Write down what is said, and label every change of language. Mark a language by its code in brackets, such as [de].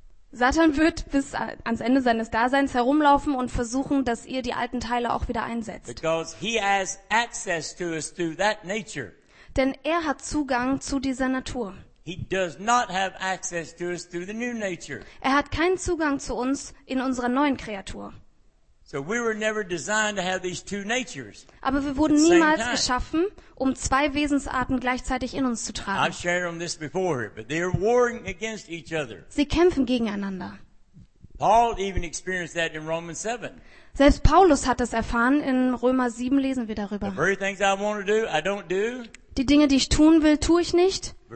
[de] Satan wird bis ans Ende seines Daseins herumlaufen und versuchen, dass ihr die alten Teile auch wieder einsetzt. [en] Because he has access to us through that nature. [de] Denn er hat Zugang zu dieser Natur. [en] He does not have access to us through the new nature. [de] Er hat keinen Zugang zu uns in unserer neuen Kreatur. [en] So we were never designed to have these two natures. [de] Aber wir wurden niemals geschaffen, um zwei Wesensarten gleichzeitig in uns zu tragen. [en] I've shared on this before, but they are warring against each other. [de] Sie kämpfen gegeneinander. [en] Paul even experienced that in Romans 7. [de] Selbst Paulus hat das erfahren. In Römer 7 lesen wir darüber. [en] The very things I want to do, I don't do. [de] Die Dinge, die ich tun will, tue ich nicht.